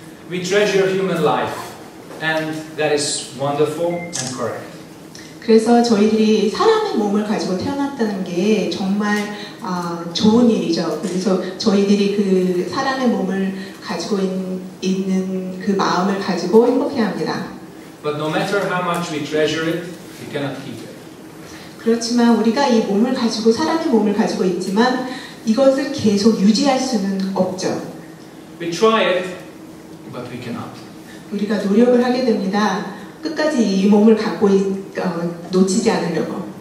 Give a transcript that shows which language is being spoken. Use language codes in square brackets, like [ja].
[en] We treasure human life, and that is wonderful and correct. [ko] 그래서 저희들이 사람의 몸을 가지고 태어났다는 게 정말 좋은 일이죠. 그래서 저희들이 그 사람의 몸을 가지고 있는 그 마음을 가지고 행복해야 합니다. [en] But no matter how much we treasure it, we cannot keep it. [ko] 그렇지만 우리가 이 몸을 가지고 사람의 몸을 가지고 있지만 이것을 계속 유지할 수는 없죠. [en] We try it, but we cannot. [ko] 우리가 노력을 하게 됩니다. 끝까지 이 몸을 갖고 놓치지 않으려고.